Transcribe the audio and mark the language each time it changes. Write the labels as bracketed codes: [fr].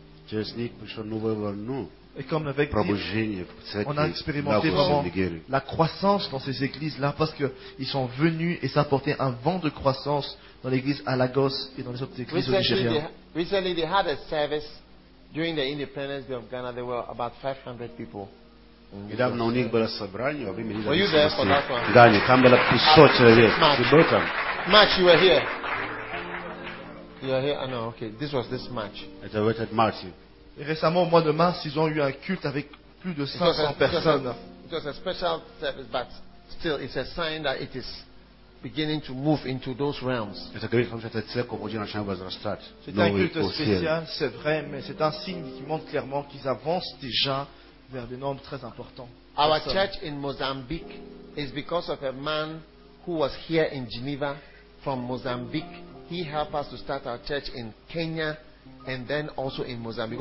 [fr] Et comme avec on a expérimenté vraiment la croissance dans ces églises là parce que ils sont venus et ça a porté un vent de croissance dans l'église à Lagos et dans les autres églises au Nigeria. [en] Recently, they had a service during the Independence Day of Ghana. There were about 500 people. March, you were here. You were here. No, okay. This was this March. [fr] Récemment, au mois de mars, ils ont eu un culte avec plus de 500 personnes. [en] It was a special service, but still, it's a sign that it is beginning to move into those realms. [fr] C'est vrai, mais c'est un signe qui montre clairement qu'ils avancent déjà vers des nombres très importants. [en] Our church in Mozambique is because of a man who was here in Geneva from Mozambique. He helped us to start our church in Kenya and then also in Mozambique.